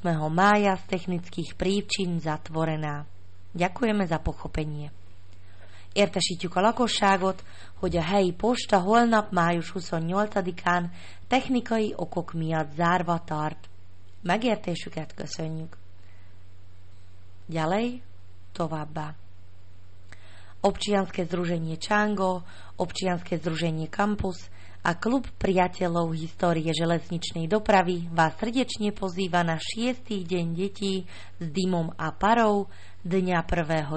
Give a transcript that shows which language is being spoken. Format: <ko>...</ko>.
<sk>mája z technických príčin zatvorená. Ďakujeme za pochopenie.</sk> <hu>Értesítjük a lakosságot, hogy a helyi posta holnap május 28-án technikai okok miatt zárva tart. Megértésüket köszönjük.</hu> <sk>Ďalej,</sk> <hu>továbbá.</hu> <sk>Občianske združenie Čango, Občianske združenie Kampus a Klub priateľov histórie železničnej dopravy vás srdečne pozýva na 6. deň detí s dymom a parou dňa 1.</sk>